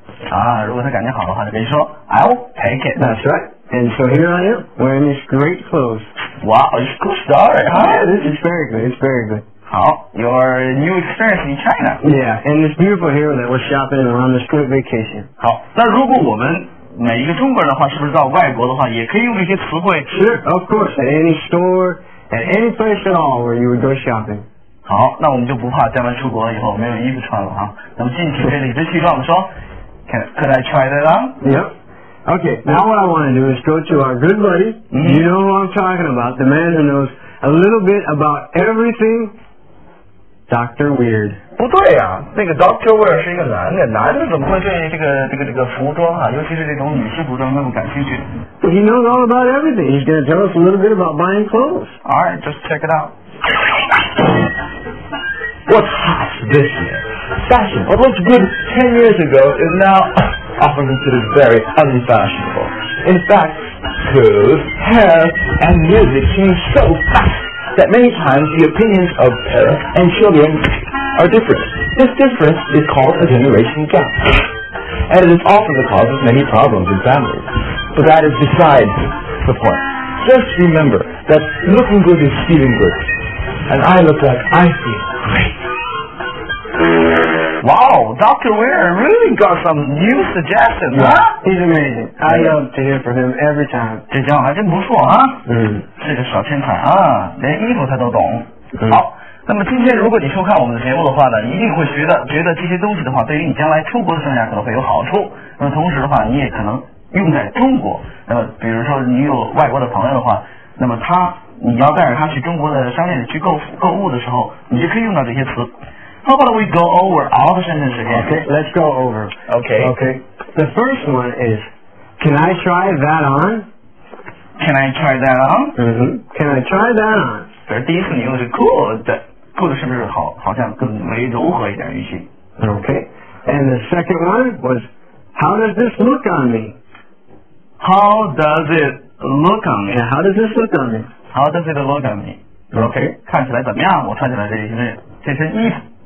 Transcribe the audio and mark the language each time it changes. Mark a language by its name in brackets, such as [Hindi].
[Chinese] 啊，如果他感觉好的话，就可以说 [English] I'll take it. That's right. And so here I am, wearing these great clothes. Wow, it's a cool story, huh? Yeah, this is very good. It's very good. 好 your new experience in China. Yeah, and this beautiful hair that was shopping on this great vacation. [Chinese] 好那如果我们每一个中国人的话是不是到外国的话也可以用这些词汇 [English] Sure, of course, at any store, at any place at all where you would go shopping. [Chinese] 好那我们就不怕将来出国以后没有衣服穿了哈那么进去这里边去让我们说 [English] Could I try that on? Yep. Okay, now what I want to do is go to our good buddy,、mm-hmm. you know who I'm talking about, the man who knows a little bit about everything,Dr. Weird [Chinese] 不对啊那个 Dr. Weird 是一个男的男的怎么会对这个服装啊尤其是这种女士服装那么感兴趣 [English] He knows all about everything He's going to tell us a little bit about buying clothes Alright, just check it out What's hot this year? Fashion What looked good 10 years ago is now often considered very unfashionable In fact, clothes, hair, and music change so fastthat many times the opinions of parents and children are different. This difference is called a generation gap, and it is often the cause of many problems in families. But that is beside the point. Just remember that looking good is feeling good, and I look like I feel great. Wow, Dr. Weir really got some new suggestions, yeah, huh? He's amazing. I love to hear from him every time. [Chinese] 这家伙还真不错啊。嗯，是个小天才啊，连衣服他都懂。好，那么今天如果你收看我们的节目的话呢，一定会觉得这些东西的话，对于你将来出国的生涯可能会有好处。那么同时的话，你也可能用在中国。那么比如说你有外国的朋友的话，那么他你要带着他去中国的商店里去购物的时候，你就可以用到这些词。 [English] How about we go over all the sentences again? Okay, let's go over. Okay. Okay. The first one is, can I try that on? Can I try that on? Mm-hmm. Can I try that on? [Chinese] 这第一次你用的是 cool 是不是好像更为柔和一点语气 [English] Okay. And the second one was, how does this look on me? How does it look on me? Yeah, how does this look on me? How does it look on me? Okay. [Chinese] 看起来怎么样我穿起来这身衣服